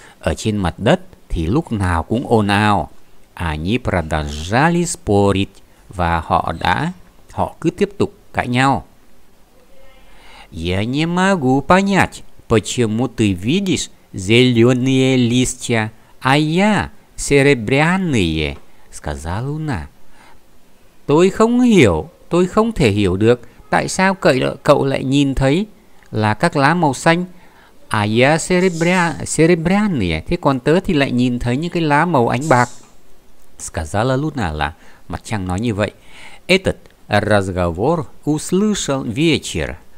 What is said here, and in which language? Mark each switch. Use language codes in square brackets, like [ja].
[vi] Ở trên mặt đất thì lúc nào cũng ồn ào. [ru] Они продолжали спорить. [vi] Và họ cứ tiếp tục cãi nhau. [ru] Я не могу понять, почему ты видишь зеленые листья, а я серебряные, сказала Луна. [vi] Tôi không thể hiểu được tại sao cậu lại nhìn thấy là các lá màu xanh. [ru] À, я серебряные. [vi] Thế còn tớ thì lại nhìn thấy những cái lá màu ánh bạc. [ru] Сказала Луна, [vi] là mặt trăng nói như vậy. [ru] Этот разговор услышал вечер.